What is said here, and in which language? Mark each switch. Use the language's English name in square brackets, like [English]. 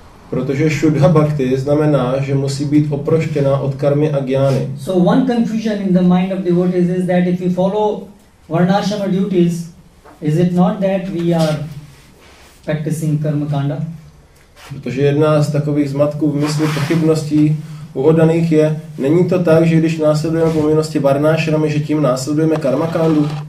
[Czech] Protože shuddha bhakti znamená, že musí být oproštěna od karmy a jnany. [English] So one confusion in the mind of devotees is that if we follow varnashrama duties, is it not that we are practicing karma kanda? [Czech] Protože jedna z takových zmatků v mysli pochybností u oddaných je, není to tak, že když následujeme povinnosti varnashramy, že tím následujeme karma kandu?